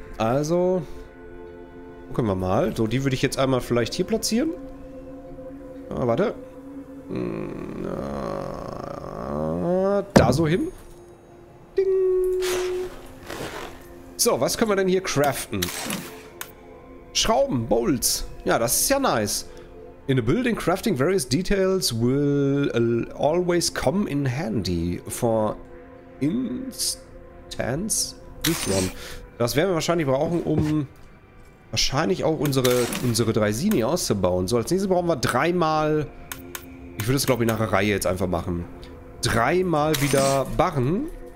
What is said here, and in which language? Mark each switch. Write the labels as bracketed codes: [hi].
[de] Also, gucken wir mal. So, die würde ich jetzt einmal vielleicht hier platzieren. Ah, warte. Da so hin. Ding. So, was können wir denn hier craften? Schrauben, Bolts. Ja, das ist ja nice. [en] In a building, crafting various details will always come in handy. For instance, this one. [de] Das werden wir wahrscheinlich brauchen, um wahrscheinlich auch unsere Draisini auszubauen. So, als nächstes brauchen wir dreimal, ich würde es glaube ich nach der Reihe jetzt einfach machen, dreimal wieder Barren.